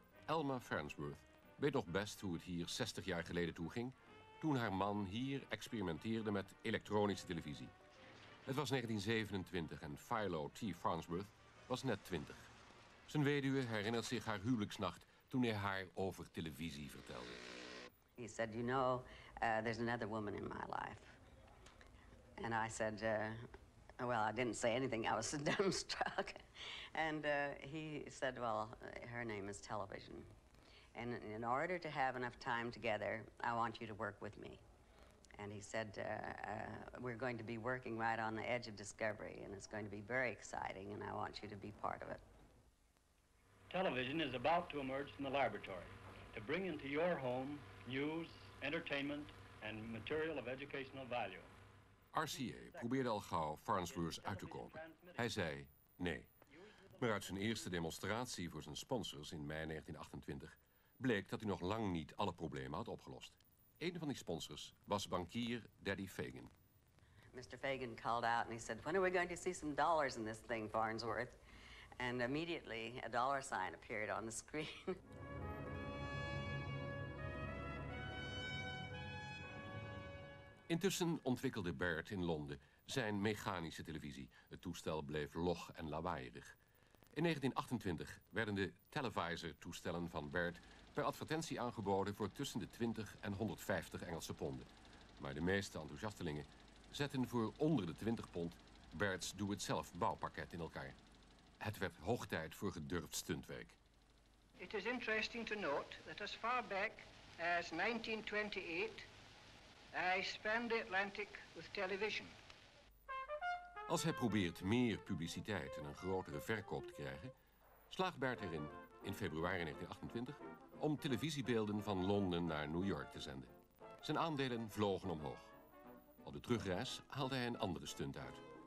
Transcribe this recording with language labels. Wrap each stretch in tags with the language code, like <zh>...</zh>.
<nl>Elma Farnsworth weet nog best hoe het hier 60 jaar geleden toe ging, toen haar man hier experimenteerde met elektronische televisie. Het was 1927 en Philo T. Farnsworth was net 20. Zijn weduwe herinnert zich haar huwelijksnacht toen hij haar over televisie vertelde.</nl> <en>He said, you know, there's another woman in my life. And I said, well, I didn't say anything, I was so dumbstruck. And he said, well, her name is television. And in order to have enough time together, I want you to work with me. And he said, we're going to be working right on the edge of discovery, and it's going to be very exciting, and I want you to be part of it. Television is about to emerge from the laboratory to bring into your home news, entertainment, and material of educational value.</en> <nl>RCA probeerde al gauw Farnsworth uit te kopen. Hij zei nee. Maar uit zijn eerste demonstratie voor zijn sponsors in mei 1928 bleek dat hij nog lang niet alle problemen had opgelost. Een van die sponsors was bankier Daddy Fagan.</nl> <en>Mr. Fagan called out and he said, when are we going to see some dollars in this thing, Farnsworth? And immediately a dollar sign appeared on the screen.</en> <nl>Intussen ontwikkelde Baird in Londen zijn mechanische televisie. Het toestel bleef log en lawaaierig. In 1928 werden de Televisor-toestellen van Baird per advertentie aangeboden voor tussen de 20 en 150 Engelse ponden. Maar de meeste enthousiastelingen zetten voor onder de 20 pond Baird's do-it-zelf bouwpakket in elkaar. Het werd hoog tijd voor gedurfd stuntwerk.</nl> <en>It is interesting to note that as far back as 1928 I spanned the Atlantic with television.</en> <nl>Als hij probeert meer publiciteit en een grotere verkoop te krijgen, slaagt Baird erin, in februari 1928, om televisiebeelden van Londen naar New York te zenden. Zijn aandelen vlogen omhoog. Op de terugreis haalde hij een andere stunt uit.</nl>